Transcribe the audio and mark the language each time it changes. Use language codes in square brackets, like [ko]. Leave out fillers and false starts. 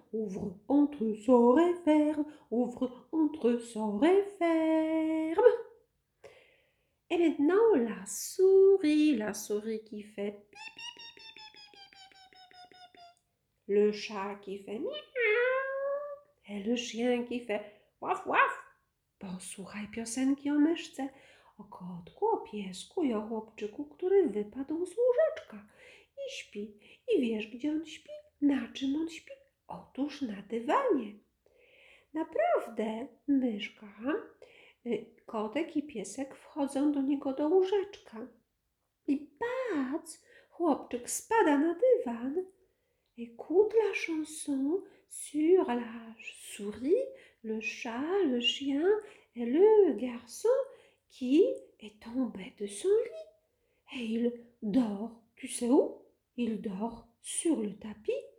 [fr] Ouvre, entre, sort et ferme. Ouvre, entre, sort et ferme. Et maintenant, la souris qui fait pipi, pipi, pipi, pipi, pipi, pipi, pipi. Le chat qui fait miaou. Et le chien qui fait waf, waf. [pl] Posłuchaj piosenki piosenki o myszce. Kotku, o piesku i o chłopczyku, który wypadł z łóżeczka. I śpi. I wiesz, gdzie on śpi? Na czym on śpi? Otóż na dywanie. Naprawdę, myszka, kotek i piesek wchodzą do niego do łóżeczka. I patrz, chłopczyk spada na dywan. [fr] Écoute la chanson sur la souris, le chat, le chien et le garçon qui est tombé de son lit. Et il dort, tu sais où? Il dort sur le tapis.